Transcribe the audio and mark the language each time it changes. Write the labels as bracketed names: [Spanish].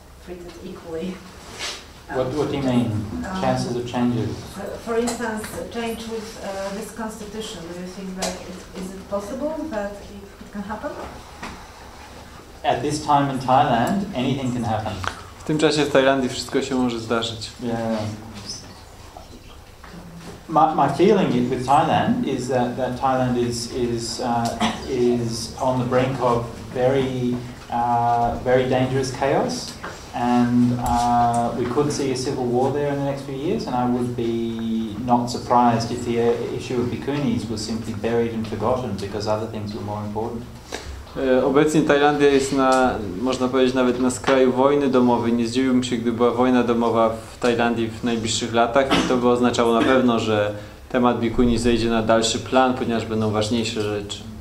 [English] So people who are against and who agree that should be treated equally. What do you mean? Chances of changes? For instance, change with this constitution. Do you think that is it possible that it can happen? At this time in Thailand, anything can happen. [Polish] W tym czasie w Tajlandii wszystko się może zdarzyć. [English] Yeah. My feeling with Thailand is that Thailand is on the brink of very very dangerous chaos, and we could see a civil war there in the next few years. And I would be not surprised if the issue of bikunis was simply buried and forgotten because other things were more important. [Polish] Obecnie Tajlandia jest na, można powiedzieć, nawet na skraju wojny domowej. Nie zdziwiłbym się, gdyby była wojna domowa w Tajlandii w najbliższych latach i to by oznaczało na pewno, że temat bikuni zejdzie na dalszy plan, ponieważ będą ważniejsze rzeczy.